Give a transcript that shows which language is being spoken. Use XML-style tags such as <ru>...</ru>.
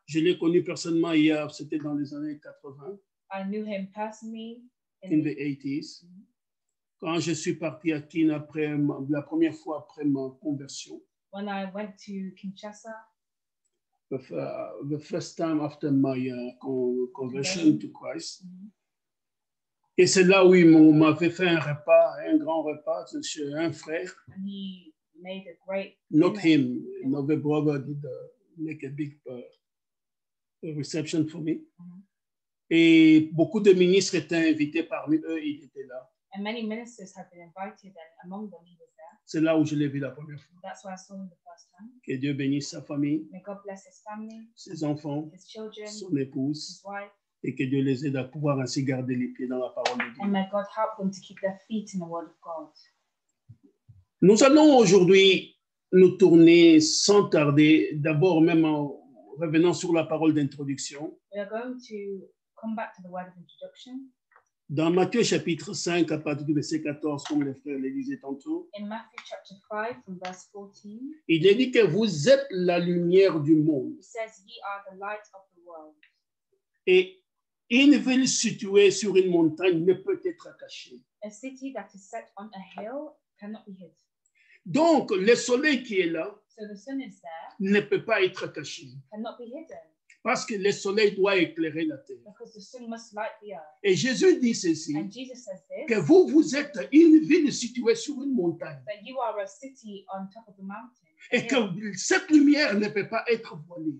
<fr>Je l'ai connu personnellement hier, c'était dans les années 80.</fr> <en>I knew him personally in the 80s.</en> <fr>Quand je suis parti à Kin après la première fois après ma conversion.</fr> <en>When I went to Kinshasa. The first time after my conversion to Christ. Mm-hmm.</en> <fr>Et c'est là où il m'avait fait un repas, un grand repas, chez un frère.</fr> <en>And he made a great not him, another brother did make a big a reception for me. Mm-hmm.</en> <fr>Et beaucoup de ministres étaient invités parmi eux, il était là.</fr> <en>And many ministers have been invited and among them he was there.</en> <fr>C'est là où je l'ai vu la première fois.</fr> <en>That's where I saw him the first time.</en> <fr>Que Dieu bénisse sa famille,</fr> <en>may God bless his family,</en> <fr>ses enfants,</fr> <en>his children,</en> <fr>son épouse,</fr> <en>his wife,</en> <fr>et que Dieu les aide à pouvoir ainsi garder les pieds dans la parole de Dieu.</fr> <en>And may God help them to keep their feet in the word of God.</en> <fr>Nous allons aujourd'hui nous tourner sans tarder, d'abord même en revenant sur la parole d'introduction.</fr> <en>We are going to come back to the word of introduction.</en> <fr>Dans Matthieu chapitre 5, à partir du verset 14, comme les frères le disaient tantôt,</fr> <en>in Matthew chapter 5, from verse 14,</en> <fr>il est dit que vous êtes la lumière du monde.</fr> <en>He says, ye are the light of the world.</en> <fr>Et une ville située sur une montagne ne peut être cachée.</fr> <en>A city that is set on a hill cannot be hid.</en> <fr>Donc, le soleil qui est là,</fr> <en>so the sun is there,</en> <fr>ne peut pas être caché.</fr> <en>Cannot be hidden.</en> <fr>Parce que le soleil doit éclairer la terre.</fr> <en>Because the sun must light the earth.</en> <fr>Et Jésus dit ceci,</fr> <en>and Jesus says this,</en> <fr>que vous êtes une ville située sur une montagne.</fr> <en>That you are a city on top of the mountain.</en> <fr>Et que cette lumière ne peut pas être voilée.</fr>